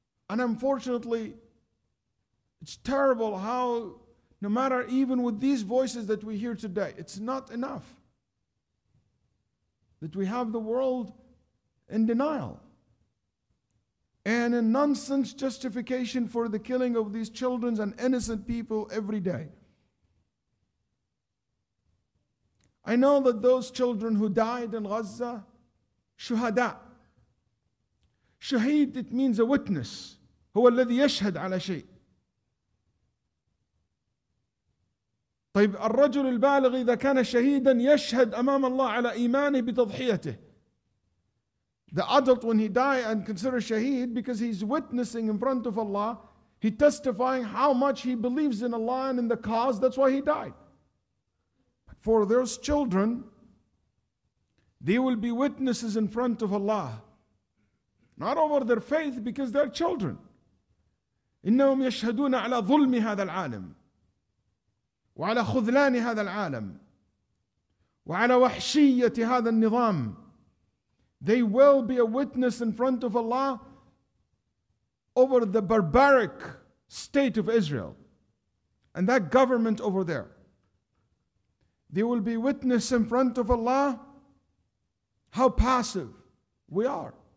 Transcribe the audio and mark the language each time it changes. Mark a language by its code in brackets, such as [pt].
[en] And unfortunately, it's terrible how, no matter even with these voices that we hear today, it's not enough that we have the world in denial and a nonsense justification for the killing of these children and innocent people every day. I know that those children who died in Gaza, shuhada. Shahid, it means a witness. [ar] هو الذي يشهد على شيء. طيب الرجل البالغ إذا كان شهيدا يشهد أمام الله على إيمانه بتضحيته. [en] The adult, when he die and consider shaheed, because he's witnessing in front of Allah, he testifying how much he believes in Allah and in the cause, that's why he died. For those children, they will be witnesses in front of Allah. Not over their faith, because they're children. [ar] إنهم يشهدون على ظلم هذا العالم وعلى خذلان هذا العالم وعلى وحشية هذا النظام. [en] They will be a witness in front of Allah over the barbaric state of Israel and that government over there. They will be witness in front of Allah how passive we are.